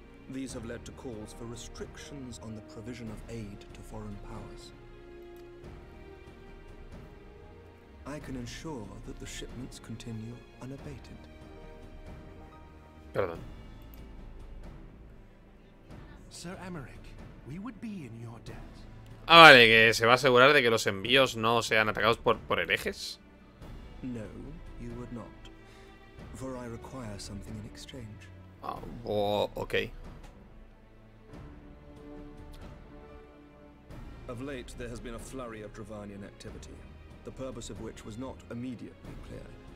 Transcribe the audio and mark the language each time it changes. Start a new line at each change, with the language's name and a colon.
English: These have led to calls for restrictions on the provision of aid to foreign powers. I can ensure that the shipments continue unabated.
Spanish: Perdón.
English: Sir Emmerich, we would be in your debt.
Spanish: Ah, vale, que se va a asegurar de que los envíos no sean atacados por herejes.
English: No, you would not. For I require something in exchange. Ah, oh, okay. Of late, there has been a flurry of Dravanian activity. The purpose of which was not immediately clear.